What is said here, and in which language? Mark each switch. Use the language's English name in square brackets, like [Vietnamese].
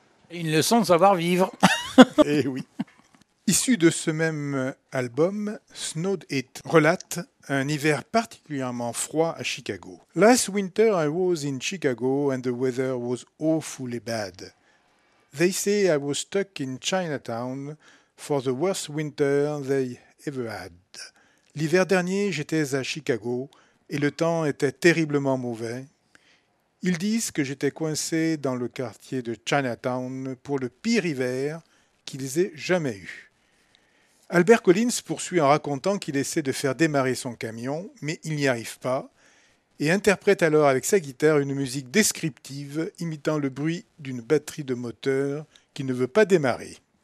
[French] Une leçon de savoir-vivre. Eh oui. Issu de ce même album, Snowed It relate un hiver particulièrement froid à Chicago. [English] Last winter I was in Chicago and the weather was awfully bad. They say I was stuck in Chinatown for the worst winter they ever had. [French] L'hiver dernier, j'étais à Chicago et le temps était terriblement mauvais. Ils disent que j'étais coincé dans le quartier de Chinatown pour le pire hiver qu'ils aient jamais eu. Albert Collins poursuit en racontant qu'il essaie de faire démarrer son camion, mais il n'y arrive pas, et interprète alors avec sa guitare une musique descriptive imitant le bruit d'une batterie de moteur qui ne veut pas démarrer.